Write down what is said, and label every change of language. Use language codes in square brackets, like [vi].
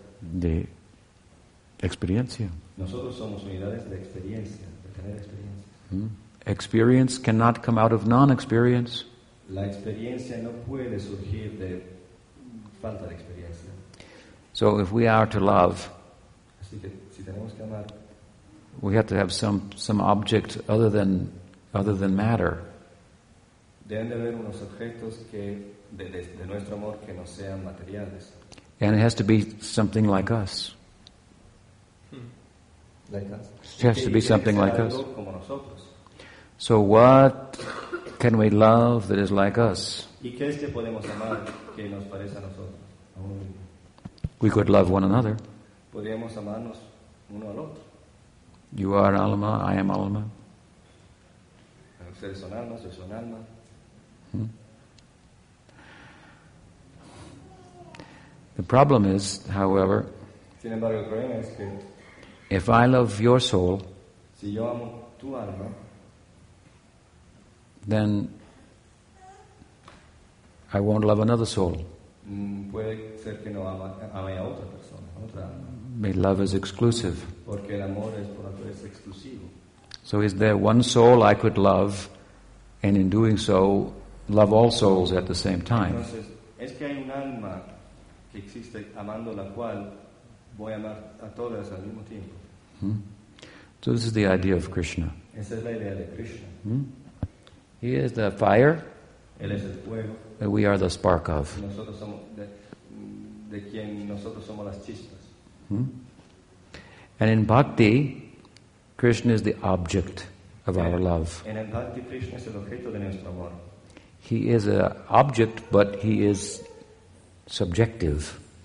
[es] de experiencia. Nosotros somos unidades de experiencia, de tener experiencia. ¿Mm? [en] Experience cannot come out of non-experience. [es] La experiencia no puede surgir de falta de experiencia. [en] So if we are to love, [es] así que, si tenemos que amar, [en] we have to have some object other than matter. [es] Deben de haber unos objetos que de nuestro amor que no sean materiales. [en] And it has to be something like us. Like us. It has to be something like us. [es] Como nosotros. [en] So what can we love that is like us? [es] ¿Y qué es que podemos amar que nos parece a nosotros? [en] We could love one another. [es] Podríamos amarnos uno al otro. [en] You are Alma, I am Alma. [es] Ustedes son almas, yo soy alma. [en] The problem is, however, [es] sin embargo, el problema es que, [en] if I love your soul, [es] si yo amo tu alma, [en] then I won't love another soul. [es] Puede ser que no ame a otra persona, otra [en] alma. Love is exclusive. [es] Porque el amor es por naturaleza exclusivo. [en] So is there one soul I could love, and in doing so, love all souls at the same time? [es] Entonces, es que hay un alma que existe amando la cual voy a amar a todas al mismo tiempo. Hmm. [en] So this is the idea of Krishna. [es] Esa es la idea de Krishna. [en] Hmm. He is the fire. [es] Él es el fuego. [en] And we are the spark of. [es] Nosotros somos de quien nosotros somos las chispas. Hmm? [en] And in bhakti, Krishna is the object of our love. [es] En el bhakti, Krishna es el objeto de nuestro amor. [en] He is an object, but he is subjective.